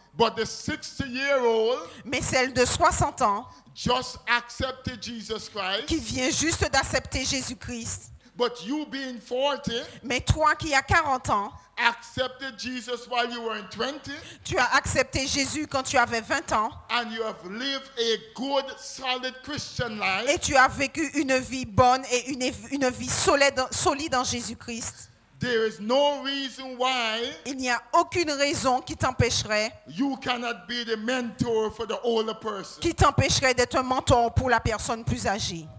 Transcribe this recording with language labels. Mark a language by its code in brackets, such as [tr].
[en] But the 60-year-old. [fr] Mais celle de 60 ans. [en] Just accepted Jesus Christ. [fr] Qui vient juste d'accepter Jésus-Christ. [en] But you being 40. [fr] Mais toi qui as 40 ans. [en] Accepted Jesus while you were in 20. [fr] Tu as accepté Jésus quand tu avais 20 ans. [en] And you have lived a good, solid Christian life. [fr] Et tu as vécu une vie bonne et une vie solide en Jésus-Christ. [en] There is no reason why. [fr] Il n'y a aucune raison qui t'empêcherait. [en] You cannot be the mentor for the older person. [fr] Qui t'empêcherait d'être un mentor pour la personne plus âgée.